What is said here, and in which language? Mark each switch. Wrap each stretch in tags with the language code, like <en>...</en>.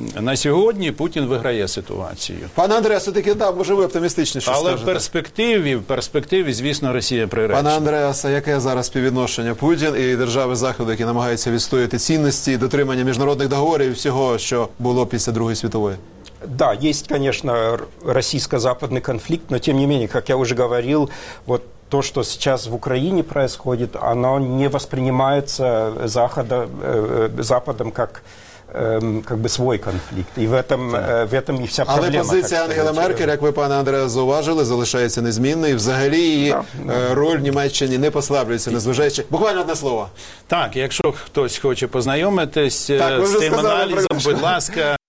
<uk>На сьогодні Путін виграє ситуацію. Пане Андре, все-таки, да, може ви оптимістичні, що скажете? Але в перспективі, звісно, Росія приречена. Пане Андреасе, яке зараз співвідношення Путін і держави Заходу, які намагаються відстояти цінності, дотримання міжнародних договорів і всього, що було після Другої світової?</uk> <ru>Да, есть, конечно, российско-западный конфликт, но тем не менее, как я уже говорил, вот то, что сейчас в Украине происходит, оно не воспринимается Западом как бы свой конфликт. И в этом и вся проблема.</ru> <uk>Але позиція Ангели Меркель, як ви, пане Андреа, зауважили, залишається незмінною. Взагалі її роль Німеччини не послаблюється, незважаючи. Буквально одне слово. Так, якщо хтось хоче познайомитись з цим аналізом, будь ласка.</uk>